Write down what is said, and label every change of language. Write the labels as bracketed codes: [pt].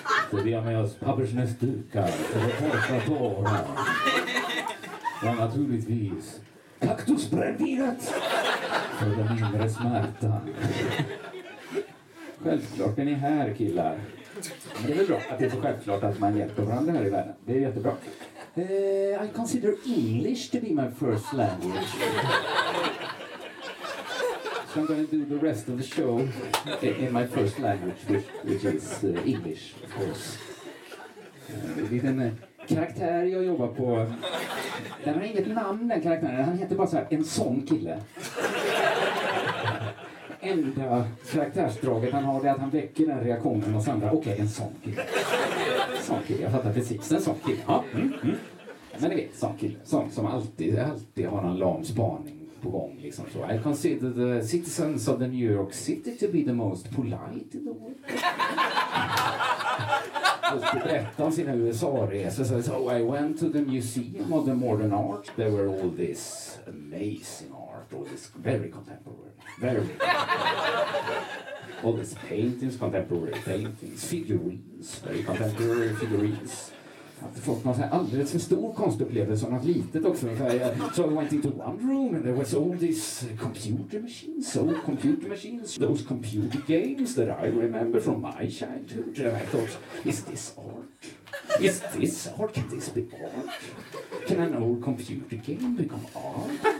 [sv] Så vi har med oss pappersnäsdukar för att torka tårar. Och naturligtvis kaktusbrännvinet för den mindre smärtan. Självklart är ni här, killar. Men det är väl bra att det är så självklart att man hjälper varandra här i världen. Det är jättebra. [en] I consider English to be my first language. So I'm going to do the rest of the show in my first language, which is English, of course. [sv] Det är en liten karaktär jag jobbar på. Den har inget namn, den karaktären. Han heter bara så här, en sån kille. Enda karaktärsdraget han har är att han väcker den reaktionen hos andra. Okej, en sån kille. Jag fattar precis, en sån kille. Ja, Men ni vet, sån kille. Sån som alltid har en lam spaning på gång. Liksom. [en] So I consider the citizens of the New York City to be the most polite in the world. [sv] Och berätta om sina USA-resor. [en] So I went to the Museum of the Modern Art. There were all this amazing art, all this very contemporary. Very rich. All these paintings, contemporary paintings, figurines, very contemporary figurines. [sv] Att det fått någon alldeles för stor konstupplevelse och något litet också. [en] So I went into one room and there was all these computer machines, old computer machines, those computer games that I remember from my childhood. And I thought, is this art? Is this art? Can this be art? Can an old computer game become art?